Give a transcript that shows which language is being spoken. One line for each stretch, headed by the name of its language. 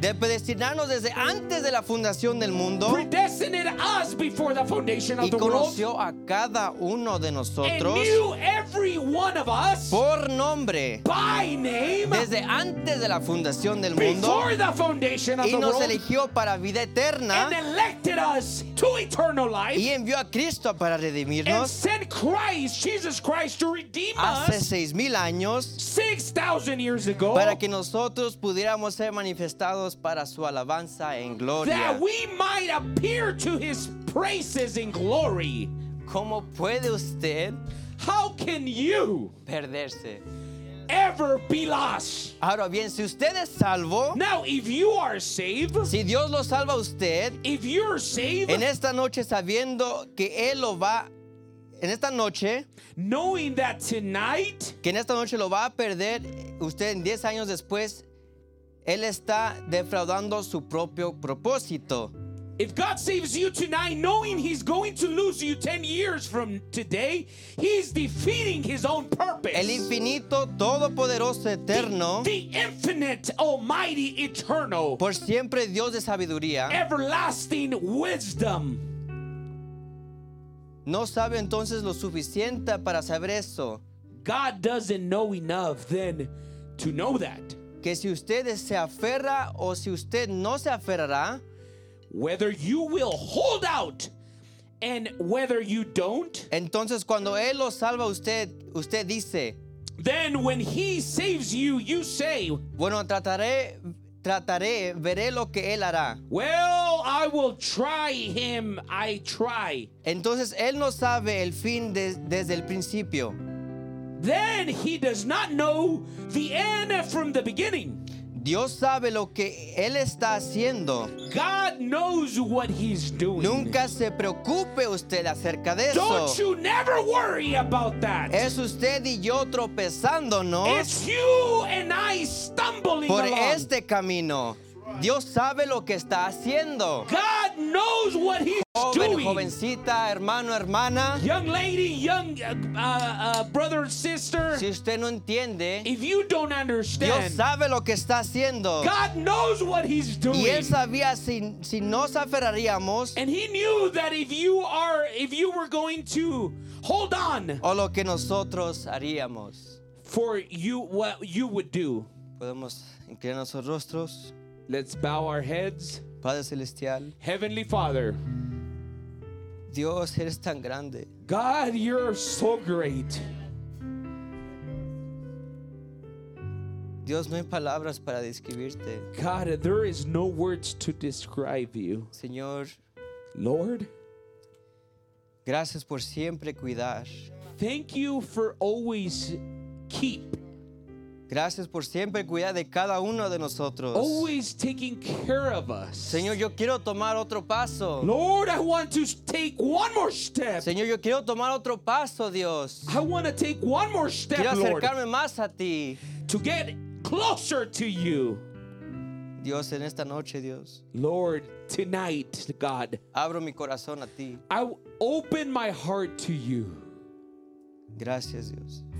Spanish: de predestinarnos desde antes de la fundación del mundo,
English: predestinated us before the foundation of the world,
Spanish: y conoció a cada uno de nosotros,
English: and knew every one of us,
Spanish: por nombre,
English: by name,
Spanish: desde antes de la fundación del mundo,
English: before the foundation of the world,
Spanish: y nos eligió para vida eterna,
English: and elected us to eternal life,
Spanish: y envió a Cristo para redimirnos,
English: and sent Christ, Jesus Christ, to redeem us.
Spanish: Hace 6,000 años,
English: 6,000 years ago,
Spanish: para que nosotros pudiéramos ser manifestados para su alabanza en gloria.
English: That we might appear to his praises in glory.
Spanish: ¿Cómo puede usted?
English: How can you?
Spanish: Perderse.
English: Ever be lost.
Spanish: Ahora bien, si usted es salvo,
English: now, if you are saved,
Spanish: si Dios lo salva a usted,
English: if you're saved,
Spanish: en esta noche sabiendo que él lo va a en esta noche,
English: knowing that tonight,
Spanish: que en esta noche lo va a perder usted en 10 años después, él está defraudando su propio propósito.
English: If God saves you tonight, knowing he's going to lose you 10 years from today, he's defeating his own purpose.
Spanish: El infinito, todopoderoso, eterno.
English: The infinite, almighty, eternal.
Spanish: Por siempre Dios de sabiduría.
English: Everlasting wisdom.
Spanish: No sabe entonces lo suficiente para saber eso.
English: God doesn't know enough then to know that.
Spanish: Que si usted se aferra o si usted no se aferrará.
English: Whether you will hold out and whether you don't.
Spanish: Entonces cuando él lo salva a usted, usted dice.
English: Then when he saves you, you say.
Spanish: Bueno, trataré, veré lo que él hará.
English: Well, I will try him, I try.
Spanish: Entonces, él no sabe el fin desde el principio.
English: Then he does not know the end from the beginning.
Spanish: Dios sabe lo que él está haciendo.
English: God knows what he's doing.
Spanish: Nunca se preocupe usted acerca de
English: Don't
Spanish: eso.
English: Don't you never worry about that.
Spanish: Es usted y yo tropezándonos.
English: It's you and I stumbling
Spanish: por
English: along.
Spanish: Este camino. Dios sabe lo que está haciendo.
English: God knows what he's
Spanish: joven,
English: doing.
Spanish: Jovencita, hermano, hermana.
English: Young lady, young brother, sister.
Spanish: Si usted no entiende.
English: If you don't understand.
Spanish: Dios sabe lo que está haciendo.
English: God knows what he's doing.
Spanish: Y él sabía si nos aferraríamos.
English: And he knew that if you were going to hold on.
Spanish: O lo que nosotros haríamos.
English: For you, what you would do.
Spanish: Podemos inclinar nuestros rostros.
English: Let's bow our heads.
Spanish: Padre celestial.
English: Heavenly Father.
Spanish: Dios, eres tan grande.
English: God, you're so great.
Spanish: Dios, no hay palabras para describirte.
English: God, there is no words to describe you.
Spanish: Señor,
English: Lord,
Spanish: gracias por siempre cuidar.
English: Thank you for always keep.
Spanish: Gracias por siempre cuidar de cada uno de nosotros.
English: Always taking care of us.
Spanish: Señor, yo quiero tomar otro paso.
English: Lord, I want to take one more step.
Spanish: Señor, yo quiero tomar otro paso, Dios.
English: I want to take one more step,
Spanish: quiero acercarme
English: Lord,
Spanish: más a ti.
English: To get closer to you.
Spanish: Dios, en esta noche, Dios.
English: Lord, tonight, God.
Spanish: Abro mi corazón a ti.
English: I open my heart to you.
Spanish: Gracias, Dios.